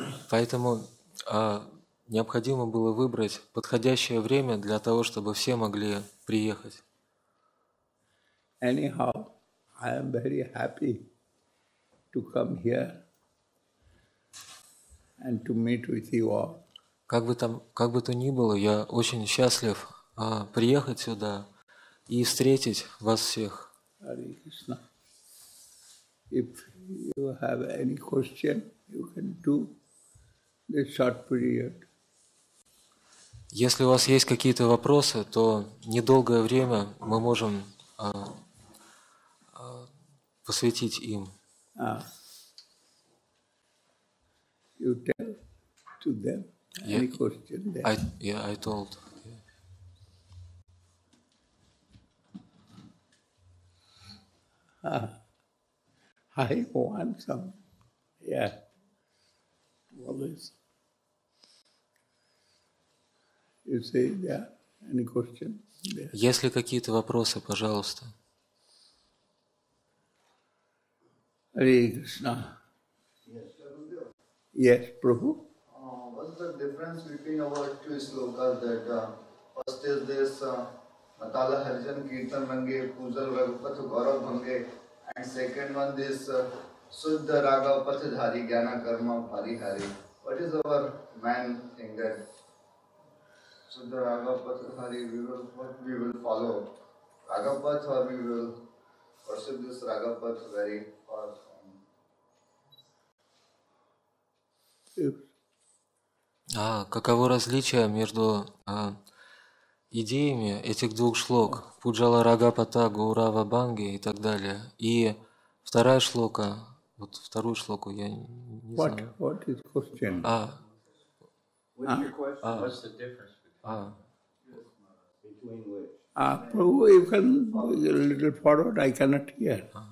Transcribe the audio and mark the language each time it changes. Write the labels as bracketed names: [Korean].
[Russian] Поэтому необходимо было выбрать подходящее время для того, чтобы все могли приехать. [English] Anyhow, I am very happy to come here and to meet with you all. [Russian] Как бы то ни было, я очень счастлив приехать сюда и встретить вас всех. [English] If you have any question, you can do this short period. [Russian] Если у вас есть какие-то вопросы, то недолгое время мы можем посвятить им. [English] You tell to them any question. I told. I want some, yeah, all this. You see, yeah, any question? Yes. [Russian] Есть ли какие-то вопросы, пожалуйста? [English] Hare Krishna. Yes, yes, Prabhu. What's the difference between our two slokas that first is this Natala Harjan Kirtan Mange Pujal Raghupat Gaurav Mange. And second one, this Suddha Raga Pachadhari Jnana Karma Parihari. What is our main thing that Suddha Raga Pachadhari, what we will follow? Raga Pach or we will pursue this Raga Pach very far from? [Russian] Каково различие между идеями этих двух шлок Пуджала Рагапата, Гаурава Банги и так далее. И вторая шлока, вот вторую шлоку я не знаю. [English] What is question? What's the difference between Prabhu, you can a little forward, I cannot hear.